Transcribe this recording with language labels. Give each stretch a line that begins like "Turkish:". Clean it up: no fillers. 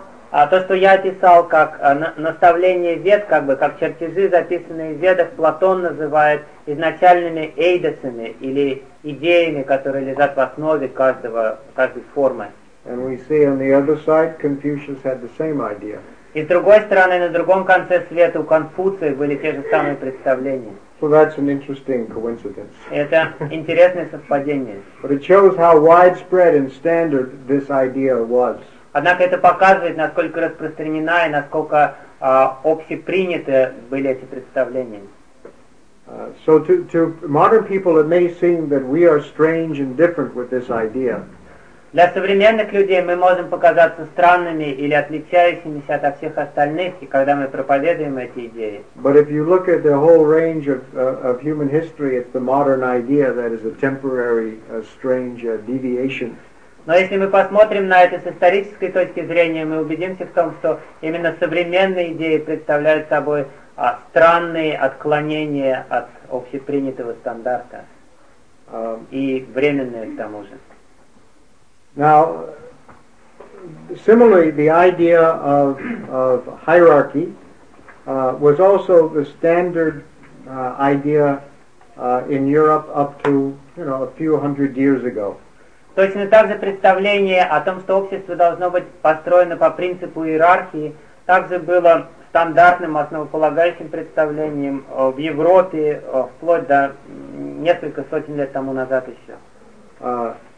Russian: То, что я писал как наставление вед, как бы как чертежи, записанные в ведах, Платон называет изначальными эйдосами или идеями, которые лежат в основе каждой формы.
English: And we see on the other side, Confucius had the same idea.
Russian: И с другой стороны, на другом конце света у Конфуция были те же самые представления.
English: So that's an interesting coincidence.
Russian: Это интересное совпадение.
English: But it shows how widespread and standard this idea was.
Russian: Однако это показывает, насколько распространена и насколько общеприняты были эти представления.
English: So to modern people, it may seem that we are strange and different with this idea.
Russian: Для современных людей мы можем показаться странными или отличающимися от всех остальных, и когда мы проповедуем эти идеи.
English: But if you look at the whole range of human history, it's the modern idea that is a temporary, strange deviation.
Russian: Но если мы посмотрим на это с исторической точки зрения, мы убедимся в том, что именно современные идеи представляют собой странные отклонения от общепринятого стандарта и временные к тому же.
English: Now, similarly, the idea of hierarchy was also the standard idea in Europe up to, you know, a few hundred years ago.
Russian: Точно так же представление о том, что общество должно быть построено по принципу иерархии, также было стандартным, основополагающим представлением в Европе вплоть до несколько сотен лет тому назад еще.